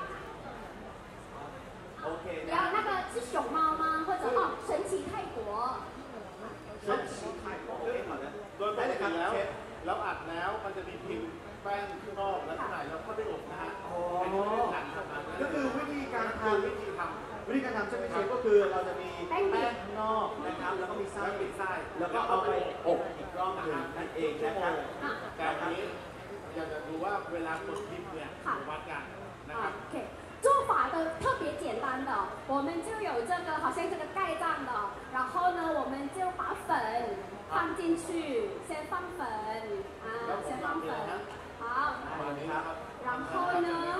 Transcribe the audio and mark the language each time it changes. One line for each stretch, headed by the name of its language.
Thai: แล้วนั่นก็
Chinese: 是熊猫吗或者哦神奇泰国神奇泰国对好的
Thai: ตัวแป้งเสร็จแล้วอัดแล้วมันจะมีพิมพ์แป้งข้างนอกแล้วข้างในแล้วเข้าไปอบนะฮะ อ๋อ เป็นการทำ ก็คือวิธีการทำใช่ไหมเชฟก็คือเราจะมี แป้ง ข้างนอกนะครับแล้วก็มีไส้ แล้วก็เอาไปอบอีกรอบนึงนั่นเองนะครับ แต่นี้อยากจะดูว่าเวลากดพิมพ์เนี่ยวัดกันนะครับ
Chinese: 做法的特别简单的，我们就有这个好像这个盖章的，然后呢，我们就把粉放进去，先放粉啊，先放粉，好，然后呢，这